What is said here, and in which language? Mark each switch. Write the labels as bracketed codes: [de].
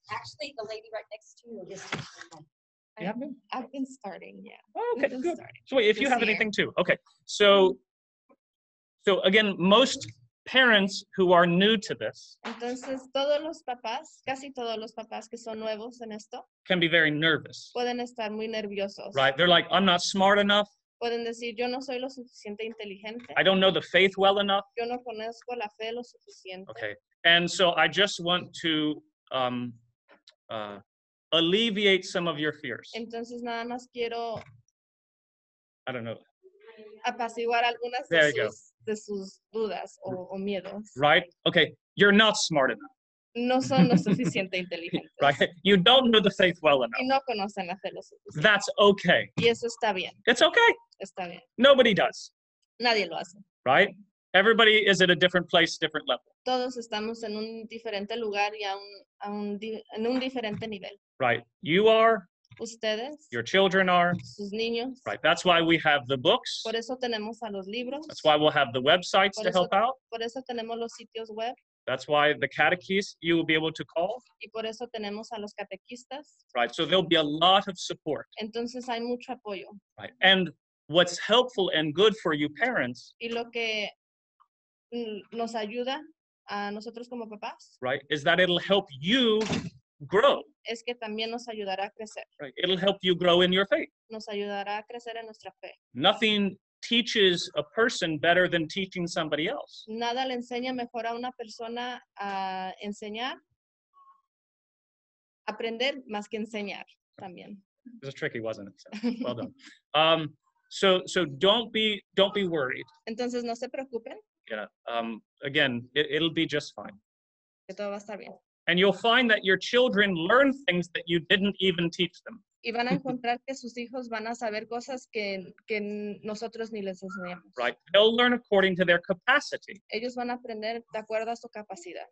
[en] Actually, the lady right next to you is teaching. I've been starting, yeah. Oh, okay, good. Starting. So wait, if you have anything too. Okay, so again, most parents who are new to this. [es] Entonces, todos los papás, casi todos los papás que son nuevos en esto. [en] Can be very nervous. [es] Pueden estar muy nerviosos. [en] Right, they're like, I'm not smart enough. [es] Pueden decir, yo no soy lo suficiente inteligente. [en] I don't know the faith well enough. [es] Yo no conozco la fe lo suficiente. [en] Okay, and so I just want to alleviate some of your fears. [es] Entonces nada más quiero... [en] I don't know. [es] Apaciguar algunas [en] there [es] de, [en] you [es] sus, [en] go. [es] De sus dudas o miedos. [en] Right, okay, you're not smart enough. [es] No son lo suficiente inteligentes. [en] Right, you don't know the faith well enough. [es] Y no conocen la fe lo suficiente. [en] That's okay. [es] Y eso está bien. [en] It's okay. [es] Está bien. [en] Nobody does. [es] Nadie lo hace. [en] Right? Everybody is at a different place, different level. [es] Todos estamos en un diferente lugar y en un diferente nivel. [en] Right. You are. [es] Ustedes. [en] Your children are. [es] Sus niños. [en] Right. That's why we have the books. [es] Por eso tenemos a los libros. [en] That's why we'll have the websites to help out. [es] Por eso tenemos los sitios web. [en] That's why the catechists you will be able to call. [es] Y por eso tenemos a los catequistas. [en] Right. So there'll be a lot of support. [es] Entonces hay mucho apoyo. [en] Right. And what's helpful and good for you parents. [es] Y lo que nos ayuda a nosotros como papás. [en] Right. Is that it'll help you grow. [es] Es que también nos ayudará a crecer. [en] Right. It'll help you grow in your faith. [es] Nos ayudará a crecer en nuestra fe. [en] Nothing teaches a person better than teaching somebody else. [es] Nada le enseña mejor a una persona a enseñar, aprender más que enseñar también. [en] It was tricky, wasn't it? Well done. So don't be worried. [es] Entonces no se preocupen. [en] Yeah. Again, it'll be just fine. [es] Que todo va a estar bien. [en] And you'll find that your children learn things that you didn't even teach them. [es] Y van a encontrar que sus hijos van a saber cosas que nosotros ni les enseñamos. [en] Right. They'll learn according to their capacity. [es] Ellos van a aprender de acuerdo a su capacidad.